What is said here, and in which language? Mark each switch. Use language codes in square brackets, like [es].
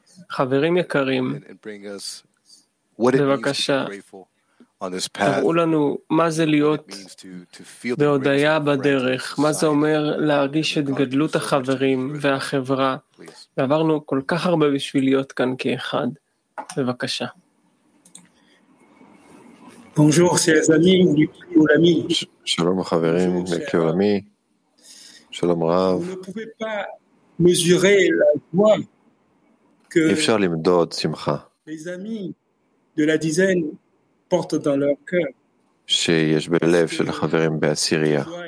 [he] חברים יקרים, בבקשה, [en] on this path. [he] תראו לנו מה זה להיות בהודיה בדרך, מה זה אומר להרגיש את גדלות החברים והחברה. ועברנו כל כך הרבה בשביל להיות כאן כאחד. בבקשה. [fr] Bonjour, c'est les amis du Prix Olami. [he] Shalom, חברים, Prix Olami. Shalom, Rav. [fr] Vous ne pouvez pas mesurer la joie que [he] אפשר למדוד שמחה. [fr] Les amis de la dizaine portent dans leur cœur. [he] שיש בלב של החברים באסיריה.